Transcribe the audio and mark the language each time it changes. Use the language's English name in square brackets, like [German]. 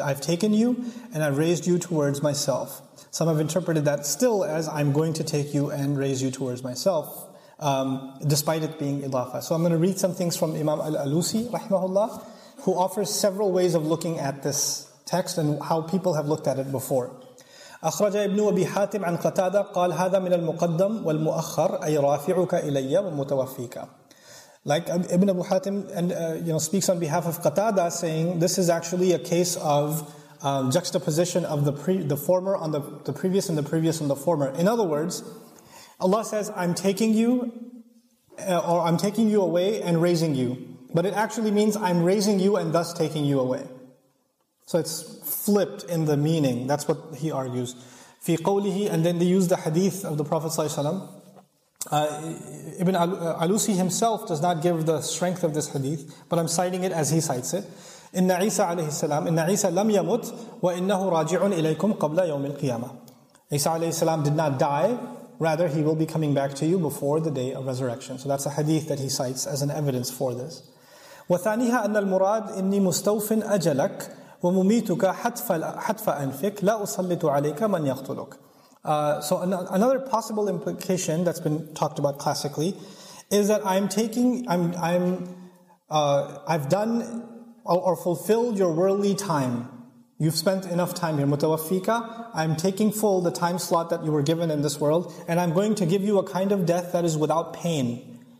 [English] I've taken you and I've raised you towards myself. Some have interpreted that still as I'm going to take you and raise you towards myself, despite it being idafa. So I'm going to read some things from Imam Al-Alusi, rahimahullah, who offers several ways of looking at this text and how people have looked at it before. [Arabic] أخرج ابن أبي حاتم عن قتادة قال هذا من المقدم والمؤخر أي رافعك إلي ومتوفيك. [English] Like Ibn Abu Hatim and speaks on behalf of Qatada, saying this is actually a case of juxtaposition of the former on the previous and the previous on the former. In other words, Allah says, I'm taking you away and raising you, but it actually means I'm raising you and thus taking you away. So it's flipped in the meaning. That's what he argues. [Arabic] في قوله, [English] and then they use the hadith of the Prophet ﷺ. Ibn Alusi himself does not give the strength of this hadith, but I'm citing it as he cites it. [Arabic] إِنَّ عِيسَىٰ عَلَيْهِ السَّلَامِ إِنَّ عِيسَىٰ لَمْ يَمُتْ وَإِنَّهُ رَاجِعٌ إِلَيْكُمْ قَبْلَ يَوْمِ الْقِيَامَةِ. [English] Isa [Arabic] عَلَيْهِ السَّلَامِ [English] did not die, rather he will be coming back to you before the day of resurrection. So that's a hadith that he cites as an evidence for this. [Arabic] وَثَانِيهَا أَنَّ الْمُرَادِ إِنِّي مُسْتَوْفٍ أجلك. وَمُمِيتُكَ حَتْفَ أَنْفِكَ لَا أُصَلِّتُ عَلَيْكَ مَنْ يَقْتُلُكَ. [English] So another possible implication that's been talked about classically is that I've done or fulfilled your worldly time. You've spent enough time here. مُتَوَفِّيكَ, I'm taking full the time slot that you were given in this world, and I'm going to give you a kind of death that is without pain.